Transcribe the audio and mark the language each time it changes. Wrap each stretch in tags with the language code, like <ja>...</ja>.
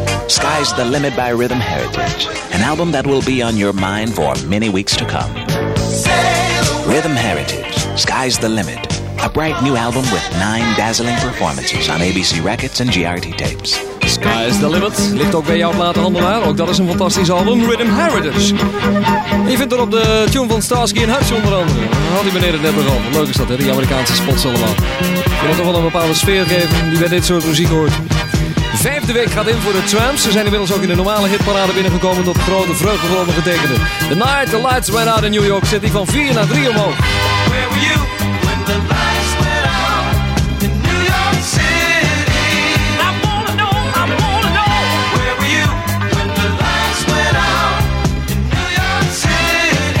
<en>Sky's the Limit by Rhythm Heritage, an album that will be on your mind for many weeks to come. Rhythm Heritage, Sky's the Limit, a bright new album with 9 dazzling performances on ABC Records and GRT Tapes.</en> <nl>Sky's the Limit, ligt ook bij jouw platenhandelaar, ook dat is een fantastisch album, Rhythm Heritage. Je vindt er op de tune van Starsky & Hutch onder andere. Had die meneer het net erover, leuk is dat hè, die Amerikaanse spots allemaal. Je moet toch wel een bepaalde sfeer geven die bij dit soort muziek hoort. 5e week gaat in voor de Tramps. Ze zijn inmiddels ook in de normale hitparade binnengekomen tot grote vreugde voor ondergetekende. The Night the Lights Went Out in New York City van 4 naar 3 omhoog.</nl> <en>Where were you when the lights went out in New York City? I wanna know, I wanna know. Where were you when the lights went out in New York City?</en>